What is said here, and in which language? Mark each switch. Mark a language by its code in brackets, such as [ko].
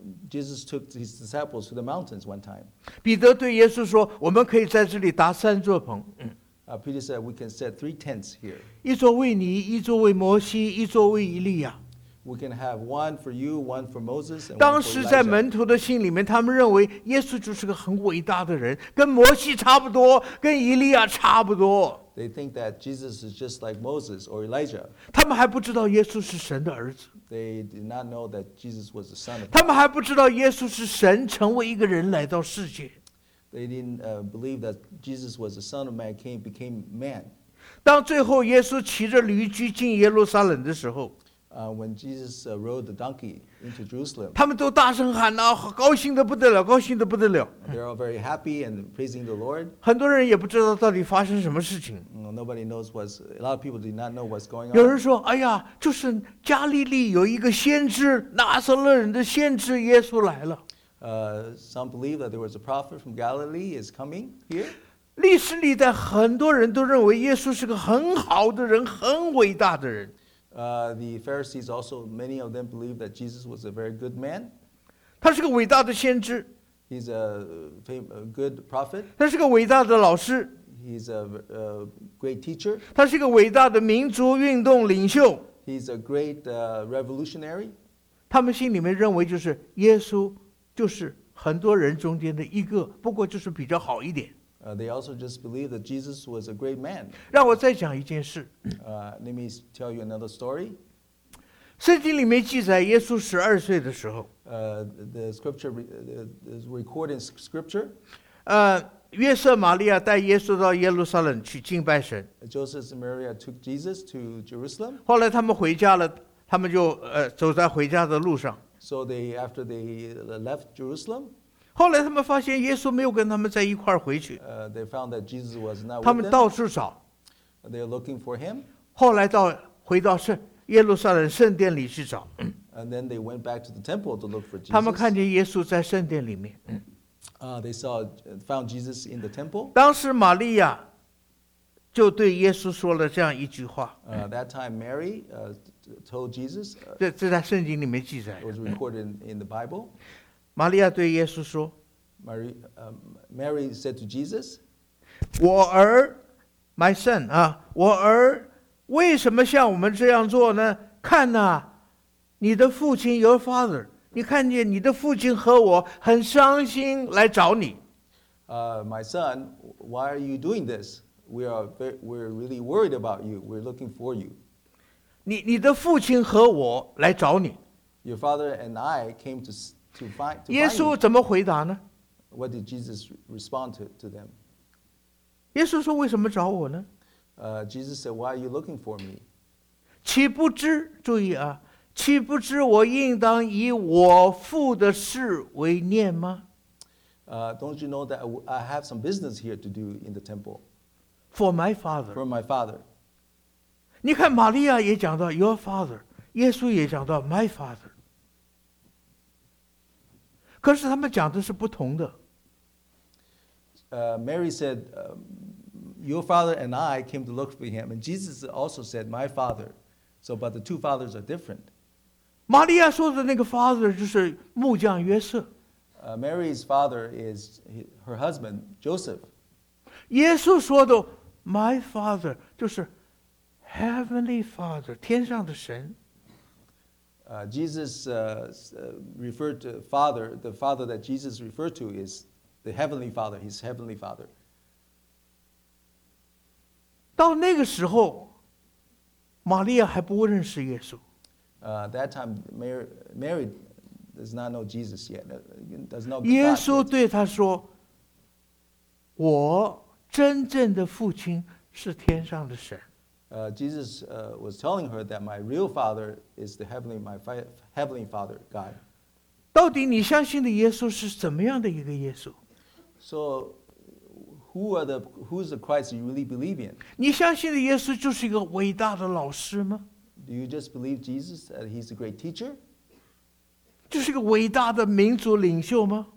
[en] Jesus took his disciples to the mountains one time. [zh] 彼得对耶稣说，我们可以在这里搭三座棚。 [en] Peter said, we can set three tents here. [zh] 一座为你，一座为摩西，一座为以利亚。 [en] We can have one for you, one for Moses, and one for Elijah. [zh] 当时在门徒的心里面，他们认为耶稣就是个很伟大的人，跟摩西差不多，跟以利亚差不多。 [en] They think that Jesus is just like Moses or Elijah. [zh] 他们还不知道耶稣是神的儿子。 [en] They did not know that Jesus was the Son of God. [zh] 他们还不知道耶稣是神，成为一个人来到世界。 [en] They didn't believe that Jesus was the Son of Man, came, became man. [zh] 当最后耶稣骑着驴驹进耶路撒冷的时候， [en] When Jesus rode the donkey into Jerusalem, [zh] 他们都大声喊啊，高兴得不得了，高兴得不得了。 [en] They're all very happy and praising the Lord. [zh] 很多人也不知道到底发生什么事情。 [en] Nobody knows what's, a lot of people did not know what's going on. [zh] 有人说，哎呀，就是加利利有一个先知，拿撒勒人的先知耶稣来了。 [en] Some believe that there was a prophet from Galilee is coming here. [zh] 历史历代很多人都认为耶稣是个很好的人，很伟大的人。 [en] The Pharisees also, many of them believe that Jesus was a very good man. [zh] 他是个伟大的先知。 [en] He's a good prophet. [zh] 他是个伟大的老师。 [en] He's a great teacher. [zh] 他是个伟大的民族运动领袖。 [en] He's a great revolutionary. [zh] 他们心里面认为就是耶稣就是很多人中间的一个，不过就是比较好一点。 [en] They also just believe that Jesus was a great man. [zh] 让我再讲一件事。 [en] Let me tell you another story. [zh] 圣经里面记载耶稣十二岁的时候。 [en] The scripture is recording scripture. [zh] 约瑟玛利亚带耶稣到耶路撒冷去敬拜神。 [en] Joseph and Maria took Jesus to Jerusalem. [zh] 后来他们回家了，他们就走在回家的路上。 [en] So they after they left Jerusalem. [zh] 后来他们发现耶稣没有跟他们在一块儿回去。 [en] They found that Jesus was not with them. [zh] 他们到处找。 [en] They are looking for him. [zh] 后来到回到圣耶路撒冷圣殿里去找。 [en] And then they went back to the temple to look for Jesus. [zh] 他们看见耶稣在圣殿里面。 [en] They saw found Jesus in the temple. [zh] 当时玛利亚就对耶稣说了这样一句话。 [en] That time Mary told Jesus. [zh] 这在圣经里面记载。 [en] It was recorded in the Bible. [zh] 玛利亚对耶稣说。 [en] Mary said to Jesus. [zh] 我儿 ， [en] my son [zh] 啊，我儿，为什么像我们这样做呢？看呐、啊，你的父亲 [en] your father， [zh] 你看见你的父亲和我很伤心来找你。 [en] My son, why are you doing this? We're really worried about you. We're looking for you. [zh] 你的父亲和我来找你。 [en] Your father and I came to find you. [zh] 耶稣怎么回答呢？ [en] What did Jesus respond to them? [zh] 耶稣说为什么找我呢？ [en] Jesus said, why are you looking for me? [zh] 岂不知，注意啊，岂不知我应当以我父的事为念吗？ [en] Don't you know that I have some business here to do in the temple? For my father. For my father. [zh] 你看玛利亚也讲到 [en] your father, [zh] 耶稣也讲到 [en] my father. [zh] 可是他们讲的是不同的。 [en] Mary said, your father and I came to look for him. And Jesus also said, my father. So, but the two fathers are different. [zh] 玛利亚说的那个 father 就是木匠约瑟。 [en] Mary's father is her husband, Joseph. [zh] 耶稣说的 [en] My father, [zh] 就是 [en] Heavenly Father, [zh] 天上的神。 [en] Jesus referred to Father, the Father that Jesus referred to is the Heavenly Father, His Heavenly Father. [zh] 到那个时候，玛利亚还不认识耶稣。 [en] That time, Mary does not know Jesus yet. Does not. [zh] 耶稣对他说，我真正的父亲是天上的神。 [en] Jesus was telling her that my real father is the heavenly, my heavenly father, God. [zh] 到底你相信的耶稣是怎么样的一个耶稣？ [en] So, who's the Christ you really believe in? [zh] 你相信的耶稣就是一个伟大的老师吗？ [en] Do you just believe Jesus that he's a great teacher? [zh] 就是一个伟大的民族领袖吗？